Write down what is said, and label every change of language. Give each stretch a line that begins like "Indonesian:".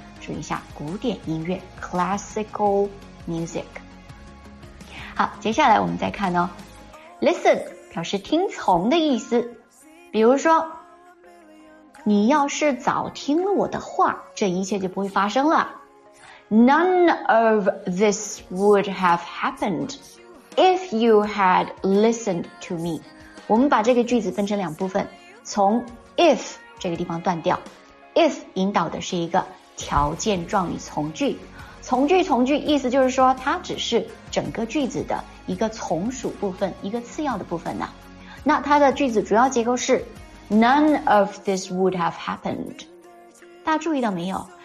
Chinese: 注意一下古典音乐 classical music。好，接下来我们再看哦， listen 表示听从的意思。比如说你要是早听了我的话，这一切就不会发生了。
English: None of this would have happened if you had listened to me.
Chinese: 我们把这个句子分成两部分，从 if 这个地方断掉。 if 引导的是一个条件状语从句。从句从句意思就是说它只是整个句子的一个从属部分，一个次要的部分呢。那它的句子主要结构是 None of this would have happened. 大家注意到没有？